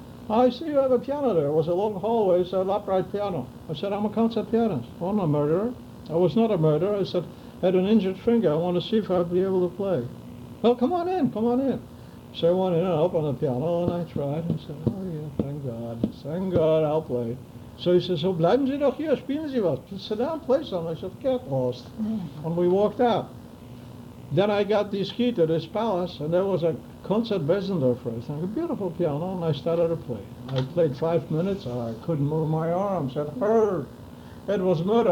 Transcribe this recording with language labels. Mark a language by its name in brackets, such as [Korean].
[English] I see you have a piano there. It was a long hallway, it's an upright piano. I said, I'm a concert pianist, I'm not a murderer. I was not a murderer. I said, I had an injured finger. I want to see if I'd be able to play. Well, come on in. So I wanted to help on the piano, and I tried, and said, oh yeah, thank God, I'll play. [German] So he says, so bleiben Sie doch hier, spielen Sie was. [English] Sit down, play something. I said, get lost. Yeah. And we walked out. Then I got this key to this palace, and there was a concert Bessendorf, I think, a beautiful piano, and I started to play. I played 5 minutes, and I couldn't move my arms. It hurt. It was murder.